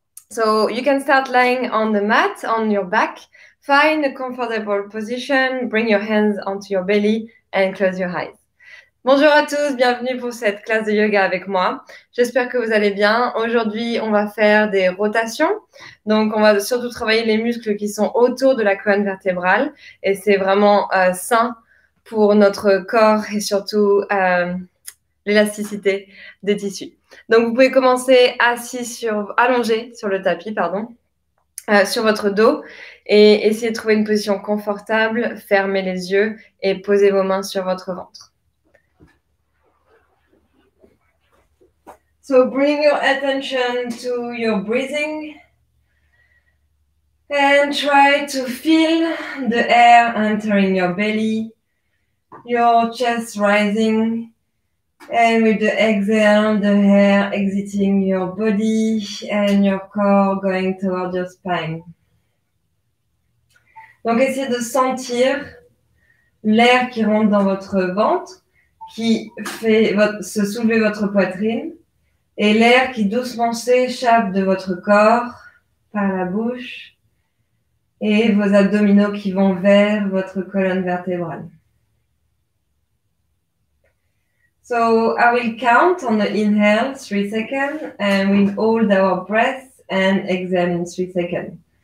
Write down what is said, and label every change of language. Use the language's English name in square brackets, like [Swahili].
[English] So you can start lying on the mat on your back. Find a comfortable position. Bring your hands onto your belly and close your eyes. [French] Bonjour à tous, bienvenue pour cette classe de yoga avec moi. J'espère que vous allez bien. Aujourd'hui, on va faire des rotations. Donc, on va surtout travailler les muscles qui sont autour de la colonne vertébrale. Et c'est vraiment sain pour notre corps et surtout l'élasticité des tissus. Donc, vous pouvez commencer allongé sur le tapis, pardon, sur votre dos et essayer de trouver une position confortable. Fermez les yeux et posez vos mains sur votre ventre. [English] So bring your attention to your breathing and try to feel the air entering your belly, your chest rising, and with the exhale, the air exiting your body and your core going toward your spine. [French] Donc essayez de sentir l'air qui rentre dans votre ventre, qui fait se soulever votre poitrine. Et l'air qui doucement s'échappe de votre corps par la bouche et vos abdominaux qui vont vers votre colonne vertébrale. [English] So I will count on the inhale 3 seconds and we'll hold our breath and exhale in 3 seconds.